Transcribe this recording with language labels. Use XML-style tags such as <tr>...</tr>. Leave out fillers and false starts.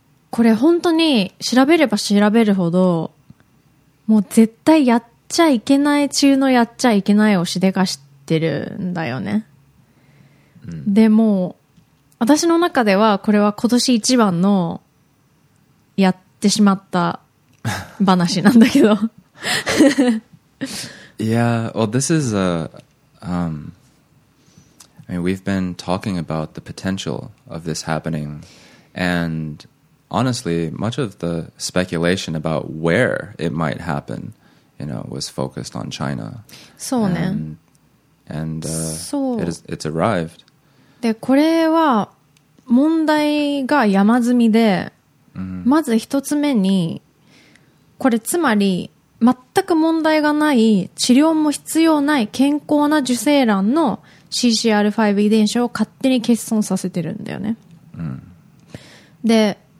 <ja>これ本当に調べれば調べるほど、もう絶対やっちゃいけない中のやっちゃいけないをしでかしてるんだよね、でも私の中ではこれは今年一番のやってしまった話なんだけど。</ja> <en>Yeah, well, this is a, I mean, we've been talking about the potential of this happening, and honestly, much of the speculation about where it might happen, you know, was focused on China.</en> <ja>そうね。</ja> <en>And,</en> <ja>そう。</ja> <en>it's arrived.</en> <ja>で、これは問題が山積みで、まず一つ目に、これつまり全く問題がない、治療も必要ない健康な受精卵の CCR5 遺伝子を勝手に欠損させてるんだよね、で</ja>